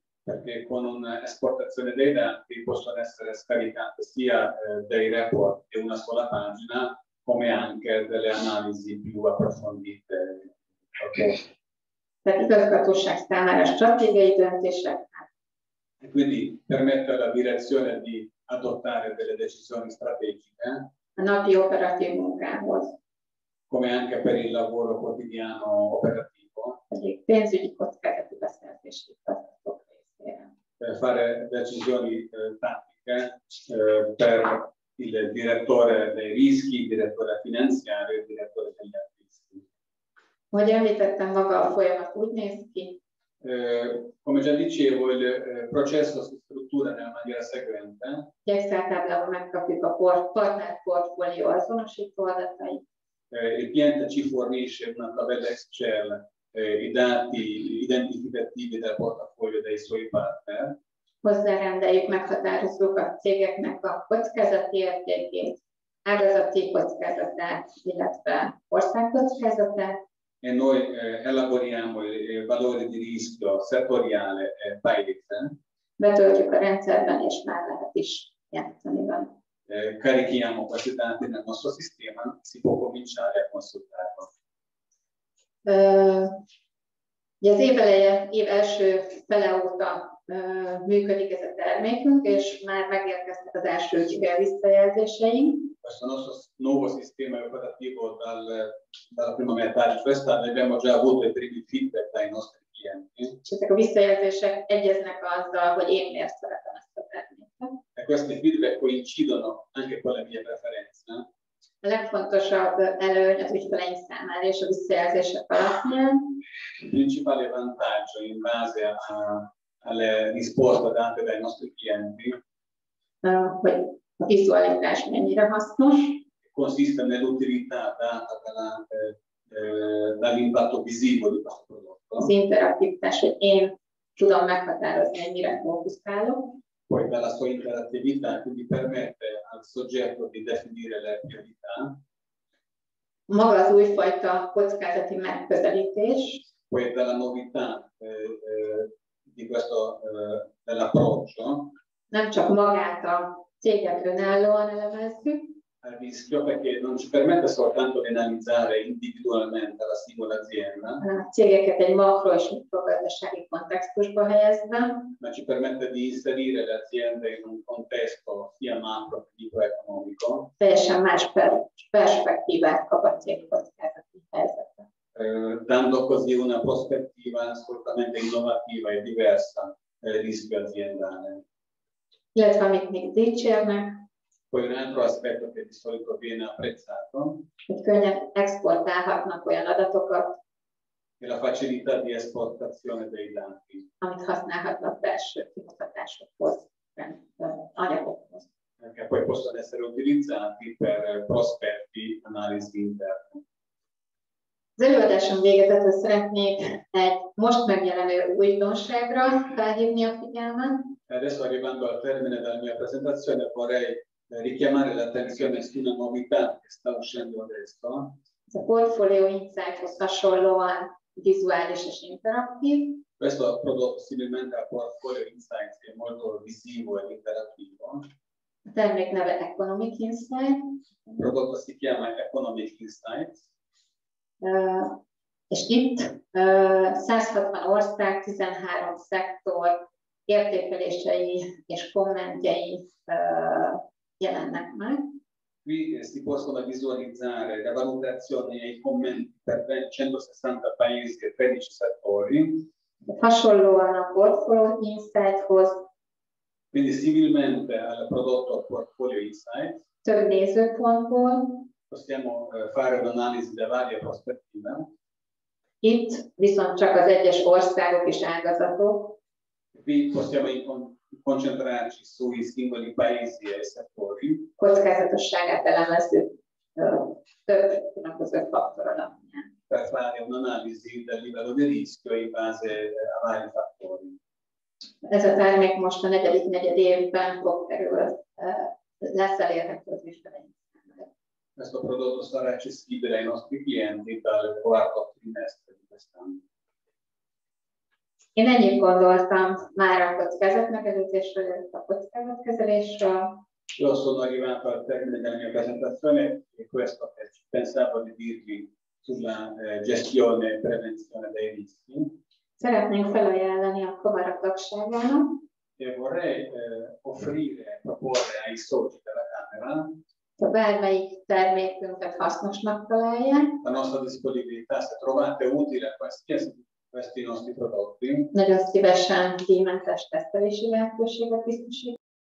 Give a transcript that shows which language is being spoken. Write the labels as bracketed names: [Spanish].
[Italian] perché con un'esportazione dei dati possono essere scaricate sia dei report di una sola pagina, come anche delle analisi più approfondite. [Hungarian] Tehát igazgatóság számára stratégiai döntéseknek. [Italian] Quindi permette alla direzione di adottare delle decisioni strategiche. [Hungarian] A napi operatív munkához. [Italian] Come anche per il lavoro quotidiano operativo. [Hungarian] Pénzügyi kockázati beszerzési feladatok részére. [Italian] Fare decisioni tattiche per il direttore dei rischi, il direttore finanziario, il direttore degli acquisti. [Hungarian] Ahogy említettem, maga a folyamat úgy néz ki. [Italian] Come già dicevo, il processo si struttura nella maniera seguente. [Hungarian] Excel táblában megkapjuk a partner portfólió azonosító adatait. [Italian] Il cliente ci fornisce una tabella Excel i dati identificativi del portafoglio dei suoi partner. [Hungarian] Hozzárendeljük meghatározók a cégeknek a kockázati értékét, ágazati kockázatát, illetve ország kockázatát. [Italian] E noi elaboriamo il valore di rischio settoriale e paese. [Hungarian] Betöltjük a rendszerben, és már lehet is játszani van. [Italian] Carichiamo questi dati nel nostro sistema, si può cominciare a consultarlo. [Hungarian] Az év eleje, év első fele óta működik ez a termékünk, és már megérkeztek az első ügyfél visszajelzéseink. [Italian] Questo nostro nuovo sistema operativo dalla prima metà di quest'anno abbiamo già avuto i primi feedback dai nostri clienti. [Hungarian] Ezek a visszajelzések egyeznek azzal, hogy én miért szeretem ezt a terméket. [Italian] E questi feedback coincidono anche con le mie preferenze. [Hungarian] A legfontosabb előny az ügyfeleink számára és a visszajelzések alapján. [Italian] Il principale vantaggio in base alle risposte date dai nostri clienti. [Hungarian] A vizualitás mennyire hasznos. [Italian] Consiste nell'utilità data dall'impatto visivo di questo prodotto. [Hungarian] Az interaktivitás, hogy én tudom meghatározni, mennyire fókuszálok. [Italian] Poi dalla sua interattività, quindi permette al soggetto di definire le priorità. [Hungarian] Maga az újfajta kockázati megközelítés. [Italian] Poi dalla novità di questo dell'approccio. [Hungarian] Nem csak magát a céget önállóan elemezzük. [Italian] Al rischio, perché non ci permette soltanto di analizzare individualmente la singola azienda. [Hungarian] Cégeket egy makro- és mikrogazdasági kontextusba helyezve. [Italian] Ma ci permette di inserire le aziende in un contesto sia macro che microeconomico. [Hungarian] Teljesen más perspektívát kap a cég kockázati helyzetbe. [Italian] Dando così una prospettiva assolutamente innovativa e diversa del rischio aziendale. [Hungarian] Illetve amit még dicsérnek. [Italian] Poi un altro aspetto che di solito viene apprezzato. [Hungarian] Hogy könnyen exportálhatnak olyan adatokat. [Italian] E la facilità di esportazione dei dati. [Hungarian] Amit használhatnak belső kihatásokhoz, anyagokhoz. [Italian] Perché poi possono essere utilizzati per prospetti, analisi interne. [Hungarian] Az előadásom végezetül szeretnék egy most megjelenő újdonságra felhívni a figyelmet. [Italian] Adesso arrivando al termine della mia presentazione vorrei richiamare l'attenzione su una novità che sta uscendo adesso. [Hungarian] A portfolio insight hasonlóan visuális és interaktív. [Italian] Questo prodotto similmente a portfolio insight che è molto visivo e interattivo. [Hungarian] A termék neve Economic Insight. [Italian] Il prodotto si chiama Economic Insight. [Hungarian] És itt 160 ország, 13 szektor értékelései és kommentjei jelennek meg. [Italian] Qui si possono visualizzare le valutazioni e i commenti per 160 paesi e 13 settori. [Hungarian] Hasonlóan a Portfolio Insight-hoz. [Italian] Quindi similmente al prodotto Portfolio Insight. [Hungarian] Több nézőpontból. [Italian] Possiamo fare un'analisi da varie prospettive. [Hungarian] Itt viszont csak az egyes országok és ágazatok. [Italian] Qui possiamo concentrarci sui singoli paesi e settori. [Hungarian] Kockázatosságát elemezzük több különböző faktor alapján. [Italian] Per fare un'analisi del livello di rischio in base a vari fattori. [Hungarian] Ez a termék most a negyedik negyed évben fog kerül, lesz elérhető az ügyfeleink. [Italian] Questo prodotto sarà accessibile ai nostri clienti dal quarto trimestre di quest'anno. [Hungarian] Én ennyit gondoltam már a kockázatmegelőzésről, a kockázatkezelésről. Jó, szóval nagyon kívánok megtenni a kezdetet, hogy ezt a pensában írni tudná gestione, prevenzione dei rischi. Szeretnénk felajánlani a Kovara tagságának. [Italian] E vorrei offrire, proporre ai soci della Camera. [Hungarian] Ha bármelyik termékünket hasznosnak találják. [Italian] A nostra disponibilità, se trovate utile questi nostri prodotti. [Hungarian] Nagyon szívesen díjmentes tesztelési lehetőséget biztosít.